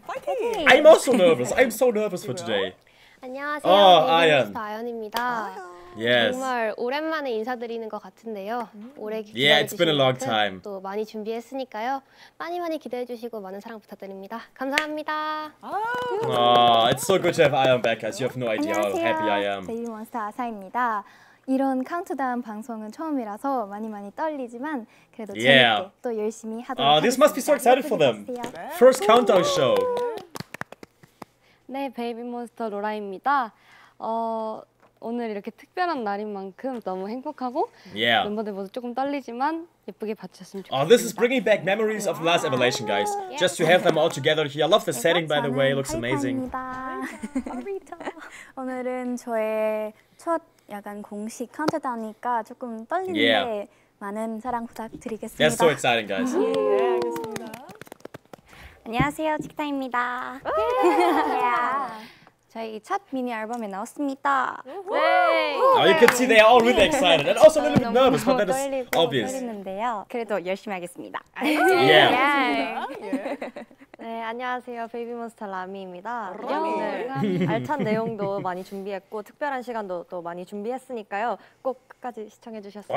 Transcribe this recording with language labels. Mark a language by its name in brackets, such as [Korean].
[Korean] 파이팅. [English] I'm also nervous. I'm so nervous for today. [Korean] 안녕하세요. 아연입니다. [English] Yes. [Korean] 정말 오랜만에 인사드리는 것 같은데요. 오래 기다려주신 만큼 또 많이 준비했으니까요. 많이 많이 기대해 주시고 많은 사랑 부탁드립니다. 감사합니다. [English] It's so good to have Ion back, guys. You have no idea how happy I am. [Korean] 베이비몬스터 아사입니다. 이런 카운트다운 방송은 처음이라서 많이 많이 떨리지만 그래도 재밌게 또 열심히 하도록 하겠습니다. [English] This must be so excited for them. First countdown show. [Korean] 네, 베이비몬스터 로라입니다. 오늘 이렇게 특별한 날인 만큼 너무 행복하고 멤버들 모두 조금 떨리지만 예쁘게 봐주셨으면 좋겠습니다. [English] This is bringing back memories of Last Evaluation, guys. Yeah. Just to have them all together here. I love the setting, by the way. It looks amazing. [Korean] 오늘은 저의 첫 약간 공식 카운트다우니까 조금 떨리는데 많은 사랑 부탁드리겠습니다. [English] That's so exciting, guys. [Korean] 안녕하세요, 직타입니다. 저희 첫 미니 앨범에 나왔습니다. 네. [English] Oh, you can see they are all really excited and also a little bit nervous, but that is obvious. [Korean] 떨리는데요. 그래도 열심히 하겠습니다. [English] Yeah. [Korean] 네, 안녕하세요. 베이비몬스터 라미입니다. 오늘 알찬 내용도 많이 준비했고 특별한 시간도 또 많이 준비했으니까요. 꼭 끝까지 시청해 주셨으면